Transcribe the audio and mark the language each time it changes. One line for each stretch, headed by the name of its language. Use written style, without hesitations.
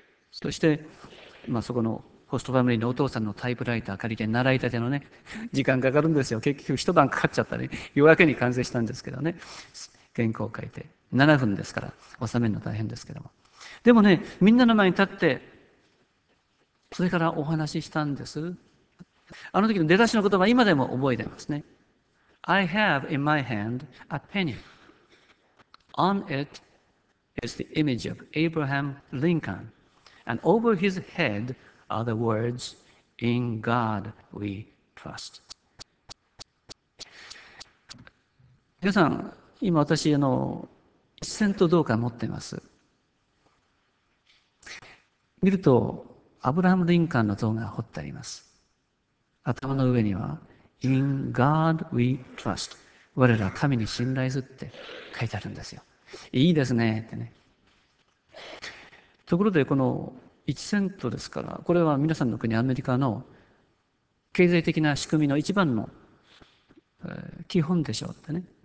Japanese: そして、まあ、そこのホストファミリーのお父さんのタイプライター借りて、習いたてのね、時間かかるんですよ。結局一晩かかっちゃったり、夜明けに完成したんですけどね。原稿を書いて、7分ですから、収めるの大変ですけども。でもね、みんなの前に立って、それからお話ししたんです。あの時の出だしの言葉、今でも覚えてますね。
English: I have in my hand a penny. On it is the image of Abraham Lincoln. And over his head are the words, In God we trust.
Japanese: 皆さん、今私、視線とどうか持っています。見ると、アブラハム・リンカンの像が彫ってあります。頭の上には、
English: In God we trust。
Japanese: 我ら神に信頼するって書いてあるんですよ。いいですね、ってね。ところで、この1セントですから、これは皆さんの国、アメリカの経済的な仕組みの一番の、基本でしょうってね。